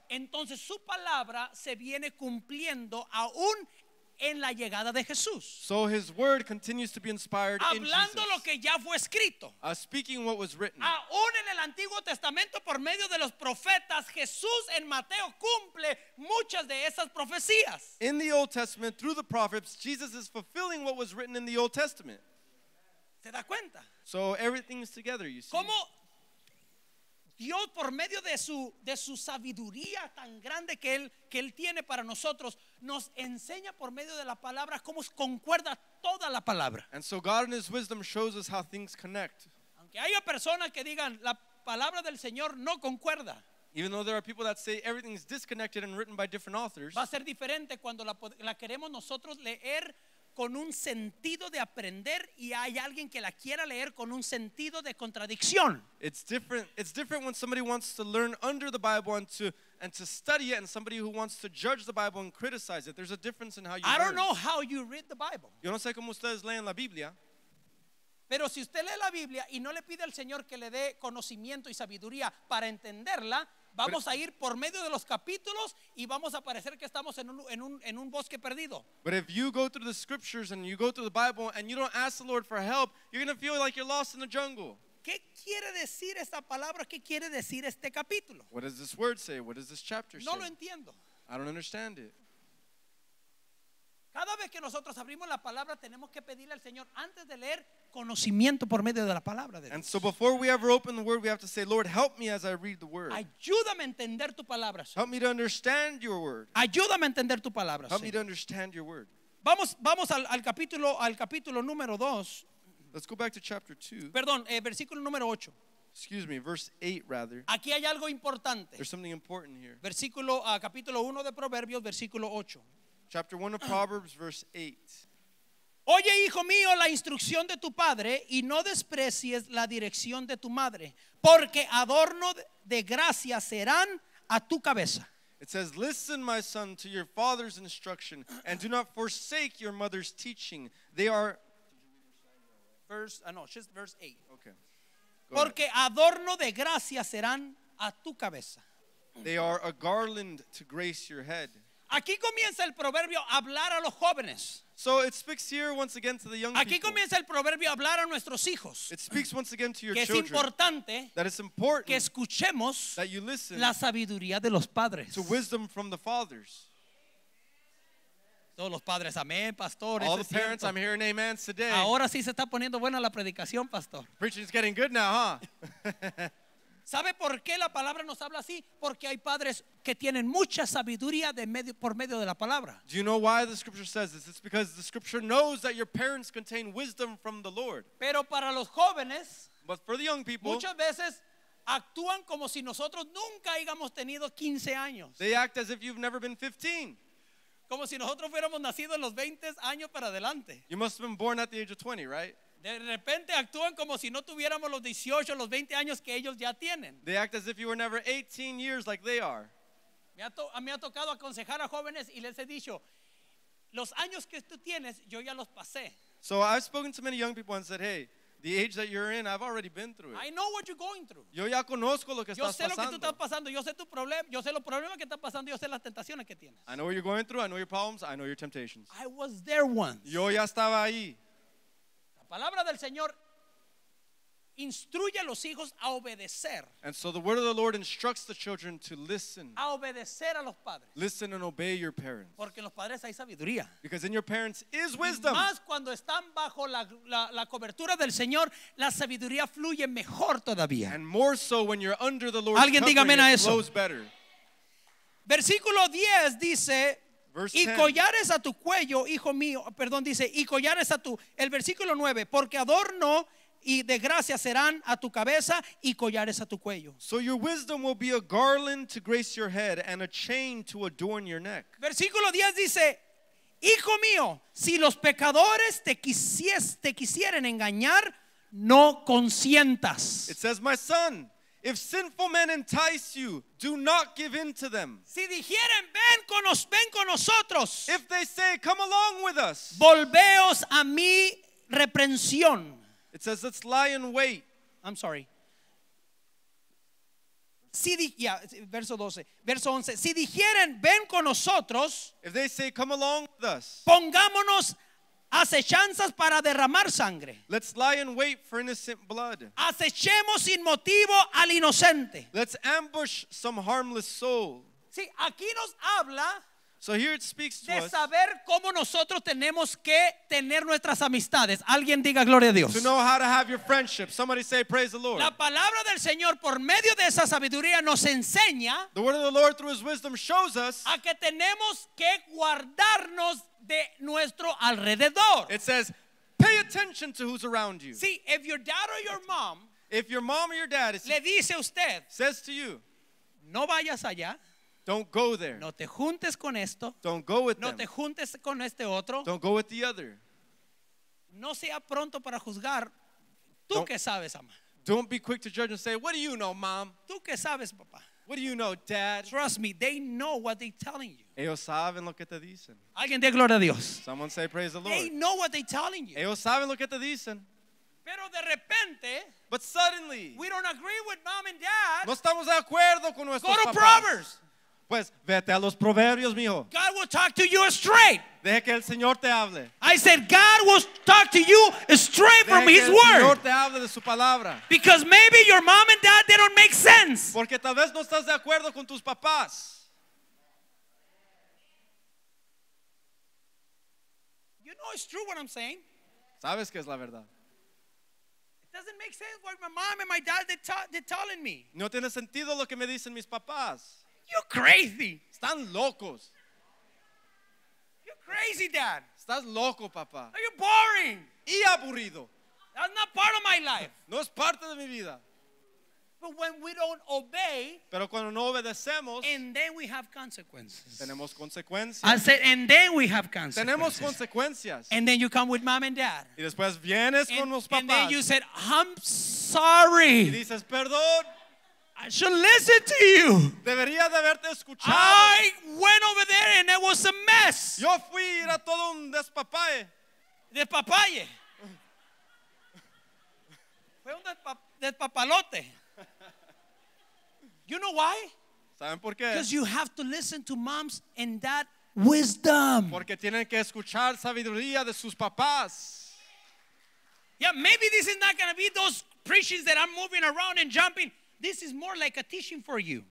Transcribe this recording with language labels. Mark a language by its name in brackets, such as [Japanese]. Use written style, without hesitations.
[Spanish] Entonces su palabra se viene cumpliendo aún en la llegada de Jesús. [English] So his word continues to be inspired [Spanish] hablando [English] in Jesus. [Spanish] Hablando lo que ya fue escrito. [English] Speaking what was written. [Spanish] Aún en el Antiguo Testamento por medio de los profetas, Jesús en Mateo cumple muchas de esas profecías. [English] In the Old Testament, through the prophets, Jesus is fulfilling what was written in the Old Testament. [Spanish] ¿Te da cuenta? [English] So everything's together, you see. [Spanish] ¿Cómo Dios por medio de su sabiduría tan grande que él tiene para nosotros nos enseña por medio de la palabra cómo concuerda toda la palabra? [English] And so God in his wisdom shows us how things connect. [Spanish] Aunque haya personas que digan la palabra del Señor no concuerda. [English] Even though there are people that say everything is disconnected and written by different authors. [Spanish] Va a ser diferente cuando la queremos nosotros leer con un sentido de aprender y hay alguien que la quiera leer con un sentido de contradicción. [English] It's different when somebody wants to learn under the Bible and to study it and somebody who wants to judge the Bible and criticize it. There's a difference in how you I learn. Don't know how you read the Bible. [Spanish] Yo no sé cómo ustedes leen la Biblia. Pero si usted lee la Biblia y no le pide al Señor que le dé conocimiento y sabiduría para entenderla, vamos a ir por medio de los capítulos y vamos a parecer que estamos en un bosque perdido. [English] But if you go through the scriptures and you go through the Bible and you don't ask the Lord for help, you're going to feel like you're lost in the jungle. [Spanish] ¿Qué quiere decir esta palabra? ¿Qué quiere decir este capítulo? [English] What does this word say? What does this chapter say? [Spanish] No lo entiendo. [English] I don't understand it. [Spanish] Cada vez que nosotros abrimos la palabra, tenemos que pedirle al Señor antes de leer conocimiento por medio de la palabra de Dios. [English] And so before we ever open the word, we have to say, Lord, help me as I read the word. [Spanish] Ayúdame a entender tu palabra, Señor. [English] Help me to understand your word. [Spanish] Ayúdame a entender tu palabra, [English] Señor. Help me to understand your word. [Spanish] Vamos al capítulo número 2. [English] Let's go back to chapter 2. [Spanish] Perdón, versículo número 8. [English] Excuse me, verse 8 rather. [Spanish] Aquí hay algo importante. [English] There's something important here. [Spanish] Versículo capítulo 1 de Proverbios, versículo 8. [English] Chapter 1 of Proverbs, verse 8. [Spanish] Oye, hijo mío, la instrucción de tu padre, y no desprecies la dirección de tu madre, porque adorno de gracia serán a tu cabeza. [English] It says, listen, my son, to your father's instruction, and do not forsake your mother's teaching. They are... Just verse 8. Okay. [Spanish] Porque adorno de gracia serán a tu cabeza. [English] They are a garland to grace your head. [Spanish] Aquí comienza el proverbio a hablar a los jóvenes. [English] So it speaks here once again to the young people. [Spanish] Aquí comienza el proverbio a hablar a nuestros hijos. [English] It speaks once again to your children. [Spanish] Que es importante que escuchemos [English] that you listen [Spanish] la sabiduría de los padres. [English] To wisdom from the fathers. [Spanish] Todos los padres, amén, pastor. [English] All the parents, I'm hearing amen today. [Spanish] Ahora sí se está poniendo buena la predicación, pastor. [English] Preaching is getting good now, huh? [Spanish] ¿Sabe por qué la palabra nos habla así? Porque hay padres que tienen mucha sabiduría por medio de la palabra. [English] Do you know why the scripture says this? It's because the scripture knows that your parents contain wisdom from the Lord. [Spanish] Pero para los jóvenes, [English] but for the young people, [Spanish] muchas veces actúan como si nosotros nunca hayamos tenido 15 años. [English] They act as if you've never been 15. [Spanish] Como si nosotros fuéramos nacidos en los 20 años para adelante. [English] You must have been born at the age of 20, right? [Spanish] De repente actúan como si no tuviéramos los 18 o los 20 años que ellos ya tienen. [English] They act as if you were never 18 years like they are. [Spanish] Me ha tocado aconsejar a jóvenes y les he dicho, los años que tú tienes, yo ya los pasé. [English] So I've spoken to many young people and said, hey, the age that you're in, I've already been through it. I know what you're going through. [Spanish] Yo ya conozco lo que yo estás pasando. Yo sé lo que tú estás pasando. Yo sé tu problema. Yo sé los problemas que estás pasando. Yo sé las tentaciones que tienes. [English] I know what you're going through. I know your problems. I know your temptations. I was there once. [Spanish] Yo ya estaba ahí. La palabra del Señor instruye a los hijos a obedecer. [English] And so the word of the Lord instructs the children to listen. [Spanish] A obedecer a los padres. [English] Listen and obey your parents. [Spanish] Porque en los padres hay sabiduría. [English] Because in your parents is wisdom. [Spanish] Y más cuando están bajo la cobertura del Señor, la sabiduría fluye mejor todavía. [English] And more so when you're under the Lord's covering, it flows better. [Spanish] Versículo 10 dice, y collares a tu cuello, hijo mío, perdón, dice, y collares a tu, el versículo 9, porque adorno y de gracia serán a tu cabeza y collares a tu cuello. [English] So your wisdom will be a garland to grace your head and a chain to adorn your neck. [Spanish] Versículo 10 dice, hijo mío, si los pecadores te quisieren engañar, no consientas. [English] It says, my son, if sinful men entice you, do not give in to them. [Spanish] Si dijeren, ven con nosotros. [English] If they say, come along with us. [Spanish] Volveos a mi reprensión. [English] It says, let's lie in wait. I'm sorry. [Spanish] Si verso 11. Si dijeren, ven con nosotros. [English] If they say, come along with us. [Spanish] Pongámonos acechanzas para derramar sangre. [English] Let's lie in wait for innocent blood. [Spanish] Acechemos sin motivo al inocente. [English] Let's ambush some harmless soul. [Spanish] Sí, aquí nos habla. [English] So here it speaks to [Spanish] de [English] us. [Spanish] De saber cómo nosotros tenemos que tener nuestras amistades. Alguien diga gloria a Dios. [English] To know how to have your friendship. Somebody say praise the Lord. [Spanish] La palabra del Señor por medio de esa sabiduría nos enseña. [English] The word of the Lord through his wisdom shows us. [Spanish] A que tenemos que guardarnos de nuestro alrededor. [English] It says, pay attention to who's around you. See, if your dad or your mom, if your mom or your dad is, [Spanish] le dice usted, [English] says to you, [Spanish] no vayas allá, [English] don't go there, [Spanish] no te juntes con esto, [English] don't go with [Spanish] no [English] them, [Spanish] te juntes con este otro, [English] don't go with the other, [Spanish] no sea pronto para juzgar, tú que sabes, mamá. [English] Don't be quick to judge and say, what do you know, mom? [Spanish] Tú que sabes, papá. [English] What do you know, dad? Trust me, they know what they're telling you. [Spanish] Ellos saben lo que te dicen. Alguien dé gloria a Dios. [English] Someone say praise the Lord. They know what they're telling you. [Spanish] Ellos saben lo que te dicen. Pero de repente, [English] but suddenly, we don't agree with mom and dad. [Spanish] No estamos de acuerdo con nuestros papás. [English] Go to Proverbs. [Spanish] Pues vete a los proverbios, mijo. [English] God will talk to you straight. [Spanish] Deje que el Señor te hable. [English] I said God will talk to you straight. [Spanish] Deje [English] from [Spanish] que [English] his [Spanish] el [English] word. [Spanish] Señor te hable de su palabra. [English] Because maybe your mom and dad, they don't make sense. [Spanish] Porque tal vez no estás de acuerdo con tus papás. [English] You know it's true what I'm saying. [Spanish] Sabes que es la verdad. [English] It doesn't make sense what my mom and my dad, they're telling me. [Spanish] No tiene sentido lo que me dicen mis papás. [English] You're crazy. [Spanish] Están locos. [English] You're crazy, dad. [Spanish] Estás loco, papá. [English] Are you boring? [Spanish] Y aburrido. [English] That's not part of my life. [Spanish] No es parte de mi vida. [English] But when we don't obey, [Spanish] pero cuando no obedecemos, [English] and then we have consequences. [Spanish] Tenemos consecuencias. [English] I said, and then we have consequences. [Spanish] Tenemos consecuencias. [English] And then you come with mom and dad. [Spanish] Y después vienes con los papás. [English] And then you said, I'm sorry. [Spanish] Y dices, perdón. [English] I should listen to you. [Spanish] Debería de haberte escuchado. [English] I went over there and it was a mess. [Spanish] Yo fui a ir a todo un despapaye. Despapaye. Fue un despapalote. [English] You know why? [Spanish] ¿Saben por qué? [English] Because you have to listen to moms and dad wisdom. [Spanish] Porque tienen que escuchar sabiduría de sus papás. [English] Yeah, maybe this is not going to be those preachings that I'm moving around and jumping. This is more like a teaching for you.